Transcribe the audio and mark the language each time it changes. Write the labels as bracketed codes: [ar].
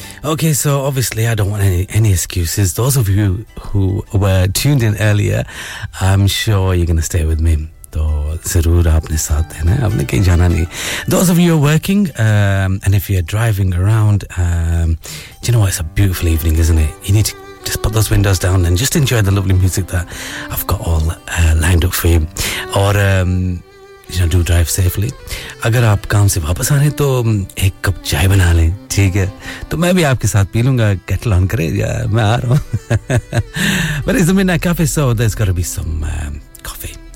[en] Okay, so obviously I don't want any excuses. Those of you who were tuned in earlier, I'm sure you're going to stay with me. So, [hi] zarur aapne saath hai, aapne kahin jana nahi. [en] Those of you who are working, and if you're driving around, do you know what? It's a beautiful evening, isn't it? You need to just put those windows down and just enjoy the lovely music that I've got all lined up for you. Or, you know, do drive safely. [hi] अगर आप काम से वापस आ रहे हैं तो एक cup चाय बना लें ठीक है तो मैं भी आपके साथ पी लूंगा केटल ऑन करें या मैं आ रहा हूं [en] but is a midnight cafe so there is gonna be some coffee